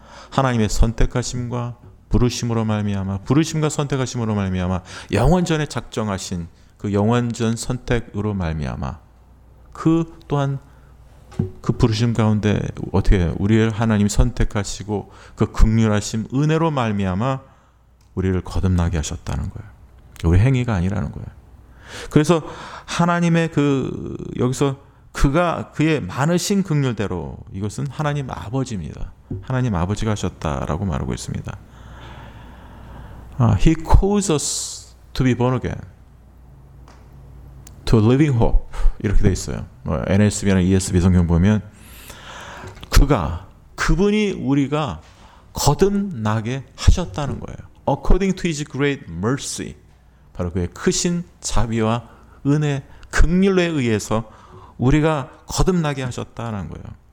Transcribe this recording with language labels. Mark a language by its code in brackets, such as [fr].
[ko] 하나님의 선택하심과 부르심으로 말미암아, 부르심과 선택하심으로 말미암아, 영원전에 작정하신 그 영원전 선택으로 말미암아, 그 또한 그 부르심 가운데 어떻게 우리를 하나님 선택하시고 그 긍휼하심 은혜로 말미암아 우리를 거듭나게 하셨다는 거예요. 우리 행위가 아니라는 거예요. 그래서 하나님의 그 여기서 그가 그의 많으신 긍휼대로, 이것은 하나님 아버지입니다. 하나님 아버지가 하셨다라고 말하고 있습니다. [en] He calls us to be born again, to a living hope. [ko] 이렇게 돼 있어요. NSB나 ESB 성경 보면 그분이 우리가 거듭나게 하셨다는 거예요. [en] According to His great mercy, [ko] 바로 그의 크신 자비와 은혜, 긍휼에 의해서 우리가 거듭나게 하셨다는 거예요.